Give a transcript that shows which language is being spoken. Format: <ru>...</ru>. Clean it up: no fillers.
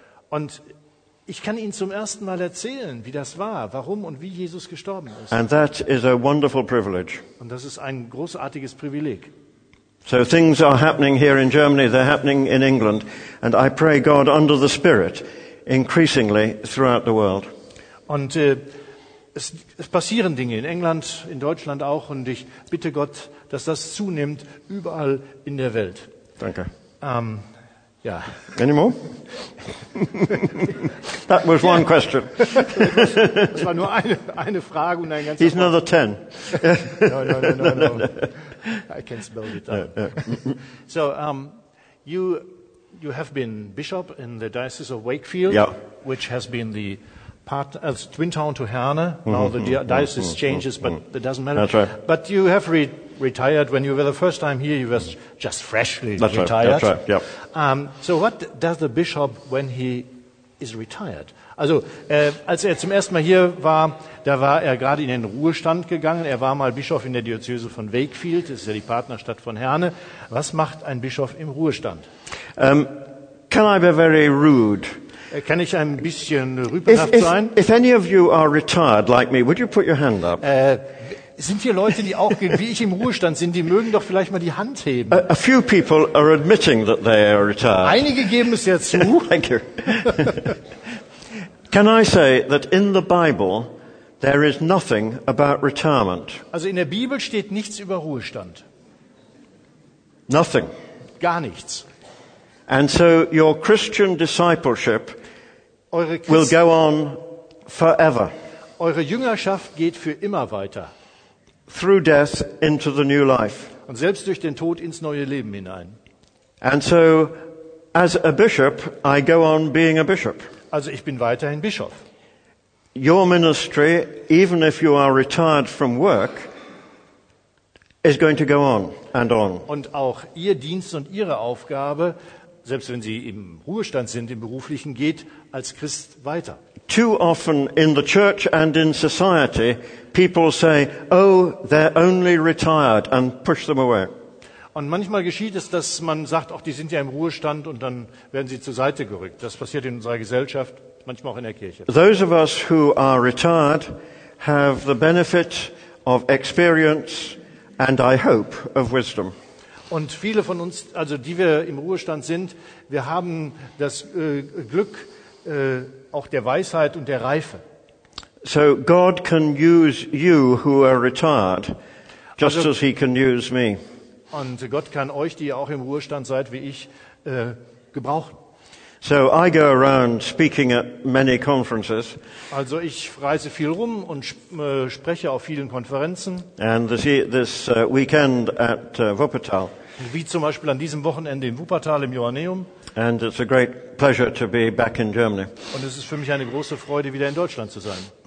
<de>Und ich kann Ihnen zum ersten Mal erzählen, wie das war, warum und wie Jesus gestorben ist.</de> <en>And that is a wonderful privilege.</en> <de>Und das ist ein großartiges Privileg.</de> <en>So things are happening here in Germany, they're happening in England, and I pray God under the Spirit increasingly throughout the world.</en> <de>Und es passieren Dinge in England, in Deutschland auch, und ich bitte Gott, dass das zunimmt überall in der Welt. Danke.</de> <en>Yeah. Any more? That was one question.</en> <de>Das war nur eine Frage und ein ganzer.</de> <en>He's another 10. No. I can't spell it. So, you have been bishop in the Diocese of Wakefield, yeah, which has been the part of Twin Town to Herne. Mm-hmm. Now the diocese changes, but it doesn't matter. That's right. But you have retired when you were the first time here. You were just freshly that's retired. Right. That's right. Yep. So what does the bishop when he is retired?</en> <de>Also, als er zum ersten Mal hier war, da war er gerade in den Ruhestand gegangen. Er war mal Bischof in der Diözese von Wakefield. Das ist ja die Partnerstadt von Herne. Was macht ein Bischof im Ruhestand?</de> <en>Can I be very rude?</en> <de>Kann ich ein bisschen rüpelhaft sein?</de> <en>If any of you are retired like me, would you put your hand up?</en> <de>Sind hier Leute, die auch wie ich im Ruhestand sind, die mögen doch vielleicht mal die Hand heben.</de> <en>A few people are admitting that they are retired.</en> <de>Einige geben es ja zu.</de> <en>Thank you. Can I say that in the Bible there is nothing about retirement?</en> <de>Also in der Bibel steht nichts über Ruhestand.</de> <en>Nothing.</en> <de>Gar nichts.</de> <en>And so your Christian discipleship will go on forever.</en> <de>Eure Jüngerschaft geht für immer weiter.</de> <en>Through death into the new life.</en> <de>Und selbst durch den Tod ins neue Leben hinein.</de> <en>And so as a bishop I go on being a bishop.</en> <de>Also ich bin weiterhin Bischof.</de> <en>Your ministry, even if you are retired from work, is going to go on and on.</en> <de>Und auch Ihr Dienst und Ihre Aufgabe, selbst wenn Sie im Ruhestand sind, im Beruflichen, geht als Christ weiter.</de> <en>Too often in the church and in society, people say, oh, they're only retired, and push them away.</en> <de>Und manchmal geschieht es, dass man sagt, ach, die sind ja im Ruhestand und dann werden sie zur Seite gerückt. Das passiert in unserer Gesellschaft, manchmal auch in der Kirche.</de> <en>Those of us who are retired have the benefit of experience and I hope of wisdom.</en> <de>Und viele von uns, also die wir im Ruhestand sind, wir haben das Glück auch der Weisheit und der Reife.</de> <en>So God can use you who are retired just also, as he can use me.</en> <de>Und Gott kann euch, die ihr auch im Ruhestand seid, wie ich, gebrauchen.</de> <en>So I go around speaking at many conferences.</en> <de>Also ich reise viel rum und spreche auf vielen Konferenzen.</de> <en>And this weekend at Wuppertal.</en> <de>Wie zum Beispiel an diesem Wochenende in Wuppertal im Johanneum.</de> <en>And it's a great pleasure to be back in Germany.</en> <de>Und es ist für mich eine große Freude, wieder in Deutschland zu sein.</de>